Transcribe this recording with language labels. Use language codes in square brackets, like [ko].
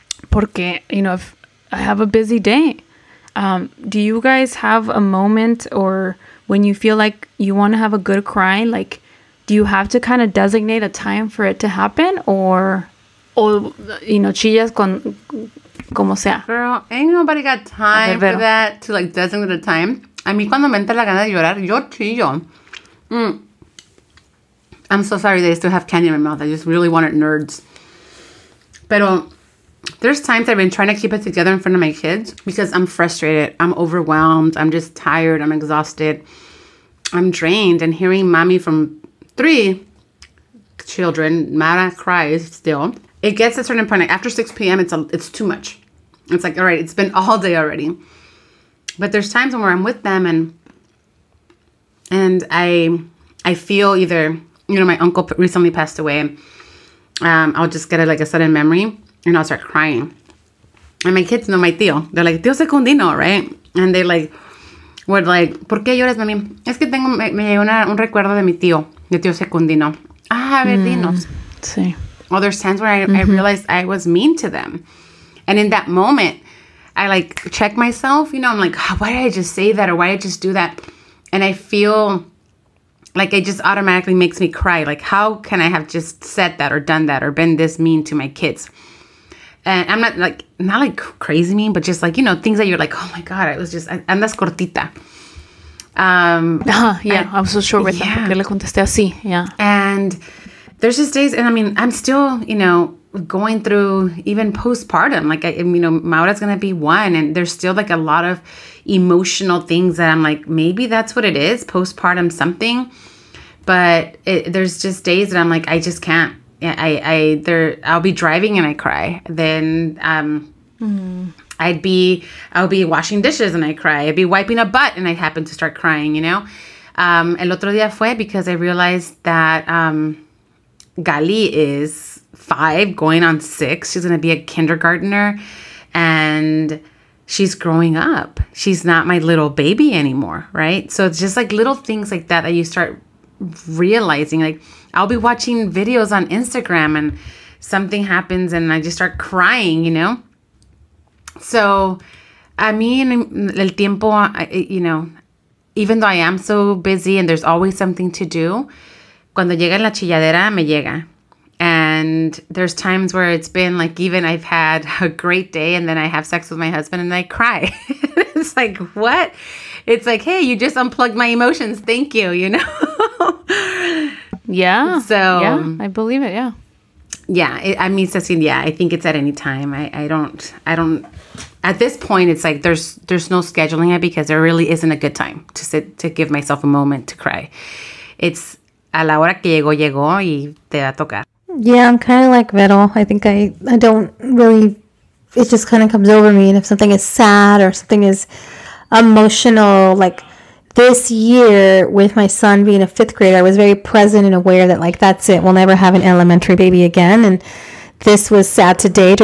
[es] Porque, [en] you know, if I have a busy day. Do you guys have a moment or when you feel like you want to have a good cry? Like, do you have to kind of designate a time for it to happen? Or you know, [es] chillas con... Como sea. [en] Girl, ain't nobody got time for that, to, like, designate a time. [es] A mí cuando me entra la gana de llorar, yo chillo. [en] I'm so sorry that I still have candy in my mouth. I just really wanted nerds. [es] Pero [en] there's times I've been trying to keep it together in front of my kids because I'm frustrated. I'm overwhelmed. I'm just tired. I'm exhausted. I'm drained. And hearing mommy from three children, Mara cries still. It gets a certain point. Like after 6 p.m., it's too much. It's like, all right, it's been all day already. But there's times where I'm with them and I feel either, you know, my uncle recently passed away. I'll just get a sudden memory and I'll start crying. And my kids know my tío. They're like, tío Secundino, right? And they like, were like, [es] ¿por qué lloras, mami? Es que tengo, me llegó un recuerdo de mi tío, de tío Secundino. Ah, a ver, dinos. Sí. [en] Other times where I realized I was mean to them. And in that moment, I like check myself, you know, I'm like, oh, why did I just say that? Or why did I just do that? And I feel like it just automatically makes me cry. Like, how can I have just said that or done that or been this mean to my kids? And I'm not like, not like crazy mean, but just like, you know, things that you're like, oh my God, I was just, [es] andas cortita. [en] Yeah, I'm so sure with that. [es] Porque le contesté así, [en] yeah. And there's just days, and I mean, I'm still, you know, going through even postpartum. Like, I, you know, Maura's going to be one, and there's still like a lot of emotional things that I'm like, maybe that's what it is, postpartum something. But it, there's just days that I'm like, I just can't. I'll be driving and I cry. Then I'll be washing dishes and I cry. I'd be wiping a butt and I happen to start crying, you know? [es] El otro día fue [en] because I realized that Gali is 5 going on 6. She's going to be a kindergartner and she's growing up. She's not my little baby anymore, right? So it's just like little things like that that you start realizing, like, I'll be watching videos on Instagram and something happens and I just start crying, you know? So, I mean, [es] el tiempo, [en] you know, even though I am so busy and there's always something to do, [es] cuando llega la chilladera, me llega. [en] And there's times where it's been like, even I've had a great day and then I have sex with my husband and I cry. It's like, what? It's like, hey, you just unplugged my emotions. Thank you, you know? Yeah. So yeah, I believe it. Yeah. Yeah. I think it's at any time. I don't. At this point, it's like there's no scheduling it because there really isn't a good time to sit to give myself a moment to cry. [es] It's a la hora que llegó, llegó y te va a tocar. [en] Yeah, I'm kind of like Vero. I think I don't really. It just kind of comes over me, and if something is sad or something is emotional, like. This year, with my son being a 5th grader, I was very present and aware that, like, that's it. We'll never have an elementary baby again. And this was sad today.